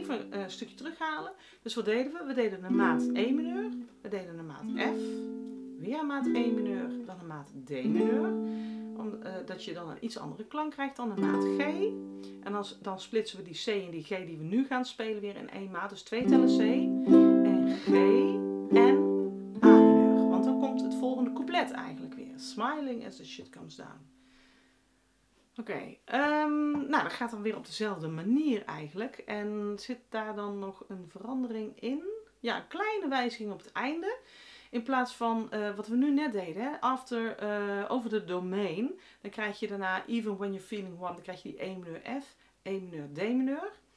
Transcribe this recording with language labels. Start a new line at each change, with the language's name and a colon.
Dutch: Een stukje terughalen. Dus wat deden we? We deden een maat E mineur, we deden een maat F, weer een maat E mineur, dan een maat D mineur, omdat je dan een iets andere klank krijgt dan een maat G. En dan splitsen we die C en die G die we nu gaan spelen weer in één maat, dus twee tellen C en G en A mineur. Want dan komt het volgende couplet eigenlijk weer.
English: Smiling as the shit comes down.
Dutch: Oké, nou, dat gaat dan weer op dezelfde manier eigenlijk. En zit daar dan nog een verandering in? Ja, een kleine wijziging op het einde. In plaats van wat we nu net deden, after, over de domain, dan krijg je daarna even
English: when you're feeling warm,
Dutch: dan krijg je die E mineur F, E mineur D mineur.